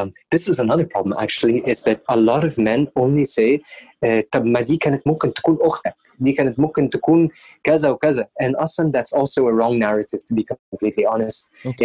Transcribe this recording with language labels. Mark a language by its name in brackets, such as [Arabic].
[English] this is another problem, actually, is that a lot of men only say, [Arabic] طب ما دي كانت ممكن تكون أختك. دي كانت ممكن تكون كذا وكذا. [English] And أصلاً, that's also a wrong narrative, to be completely honest. Okay.